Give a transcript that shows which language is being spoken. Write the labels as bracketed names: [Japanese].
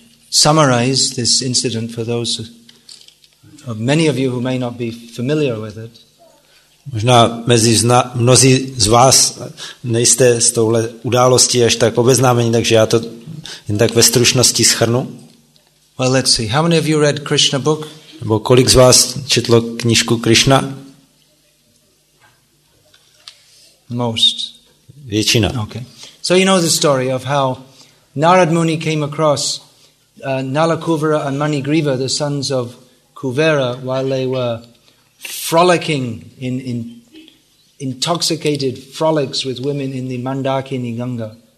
[English] Summarize this incident for those of many of you who may not be familiar with it. [Czech] Možná mezi mnozí z vás nejste s touhle událostí až tak obeznámeni, takže já to jen tak ve stručnosti shrnu. [English] Well, let's see. How many of you read Krishna book? [Czech] Nebo kolik z vás četlo knížku Krishna? [English] Most. [Czech] Většina. [English] Okay. So you know the story of how Narad Muni came across Nala Kuvera and Mani Griva, the sons of Kuvera, while they were frolicking in intoxicated frolics with women in the Mandakini Ganga.